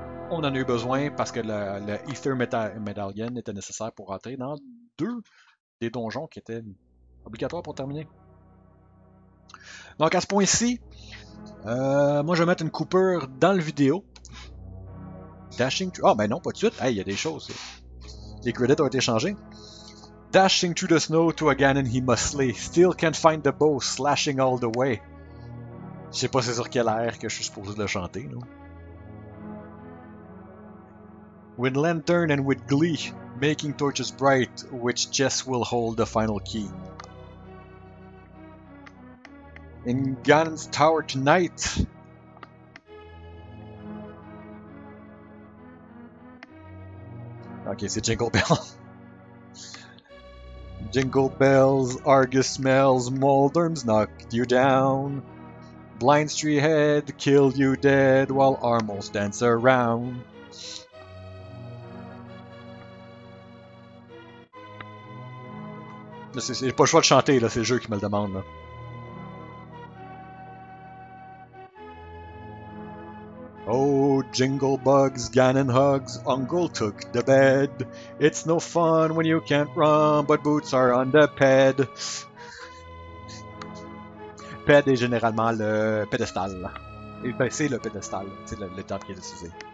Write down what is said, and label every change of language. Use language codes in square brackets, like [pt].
[fr] On en a eu besoin parce que le Ether Medallion était nécessaire pour rentrer dans deux des donjons qui étaient obligatoires pour terminer. Donc à ce point-ci, moi je vais mettre une coupure dans le vidéo. Dashing Tree. Ah, oh, ben non, pas de suite. Hey, il y a des choses. Les credits ont été changés. [en] dashing through the snow to a Ganon he must slay. Still can't find the bow, slashing all the way. [fr] Je sais pas c'est sur quel air que je suis supposé le chanter, non? [en] With lantern and with glee, making torches bright, which chest will hold the final key. In Ganon's tower tonight. [fr] Ok, c'est Jingle Bell. [en] Jingle bells, Argus smells, Maldorms knocked you down. Blind Street Head killed you dead while Armals dance around. [fr] J'ai pas le choix de chanter, là, c'est le jeu qui me le demande. Là. [en] Oh, jingle bugs, Ganon hugs, Ungle took the bed. It's no fun when you can't run, but boots are on the ped. [fr] Ped est généralement le pédestal. Et ben, c'est le pédestal, c'est le temple qui est utilisé.